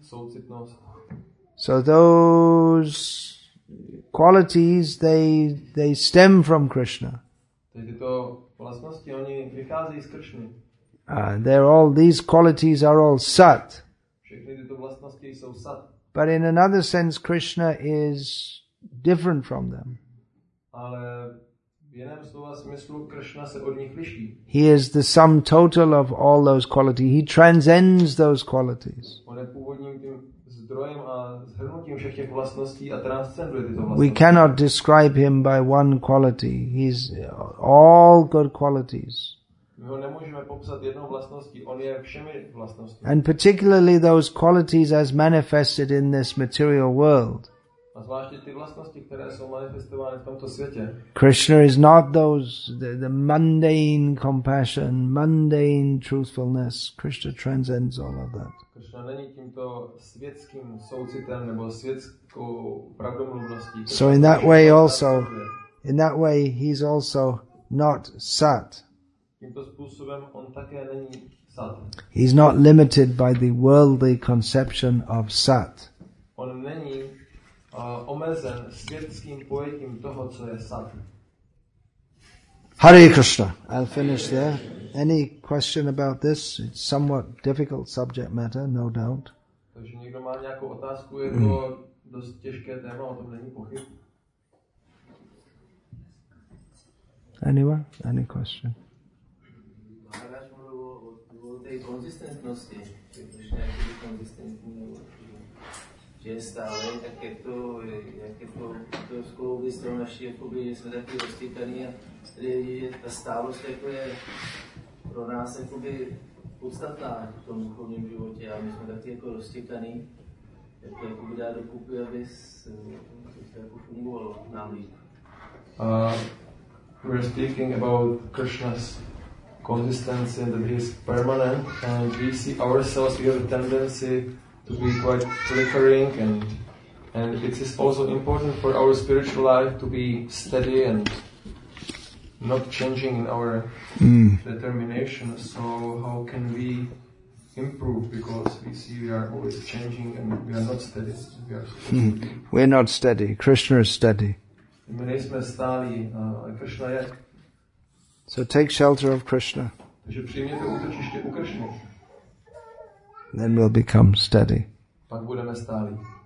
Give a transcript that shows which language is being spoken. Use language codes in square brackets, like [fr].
[cs] Soucitnost. [en] So those qualities they stem from Krishna. [cs] Tyto vlastnosti oni vychází z Krishny. [en] They're all these qualities are all sat. [cs] Všechny tyto vlastnosti jsou sat. [en] But in another sense, Krishna is different from them. [cs] Ale v jiném slova smyslu Krishna se od nich liší. [en] He is the sum total of all those qualities. He transcends those qualities. [cs] On je původním tím zdrojem a shrnutím všech těch vlastností a transcenduje tyto vlastnosti. [en] We cannot describe him by one quality. He's all good qualities. [cs] My ho nemůžeme popsat jednou vlastností. On je všemi vlastnostmi. [en] And particularly those qualities as manifested in this material world. [cs] A zvláště ty vlastnosti, které jsou manifestovány v tomto světě. [en] Krishna is not those the mundane compassion, mundane truthfulness. Krishna transcends all of that. [cs] Krishna není tímto světským soucitem nebo světskou pravdomluvností. [en] So in that way also, in that way he's also not sat. [cs] Tímto způsobem on také není sat. [en] He's not limited by the worldly conception of sat. [cs] On není omezen světským pojetím toho, co je sat. [en] Hare Krishna. I'll finish there. Any question about this? It's somewhat difficult subject matter, no doubt. [cs] Takže někdo má nějakou otázku, je to dost těžké téma, o tom není pochyb. [en] Anyone? Any question? [cs] Maharaj mluvil o té konzistentnosti, protože nějaký konzistentní že stále, tak jak je to s kouby strom naší, jakoby, že jsme taky rozstýpený a tedy, že ta stálost jako je pro nás jakoby podstatná v tom duchovním životě a my jsme taky jako rozstýpený, jak to jakoby dá dokupy, aby se jako fungovalo nám líp. [en] We're speaking about Krishna's consistency that he is permanent and we see ourselves, we have a tendency to be quite flickering and it is also important for our spiritual life to be steady and not changing in our determination. So how can we improve? Because we see we are always changing and we are not steady. We are We're not steady. Krishna is steady. [cs] My nejsme stálí, Krishna je. [en] So take shelter of Krishna. [cs] Takže přijměte útočiště u Krishny. [en] Then we'll become steady. [cs] Pak budeme stáli.